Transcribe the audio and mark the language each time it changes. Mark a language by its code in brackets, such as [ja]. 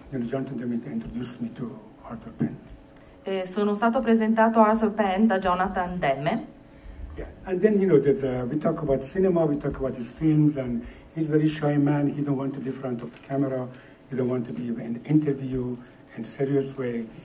[en] You know, Jonathan Demme introduced me to Arthur Penn. [it] Sono stato presentato a Arthur Penn da Jonathan Demme. [en] Yeah. And then, you know, we talk about cinema, we talk about his films, and he's a very shy man. He don't want to be in front of the camera. He don't want to be in interview in a serious way.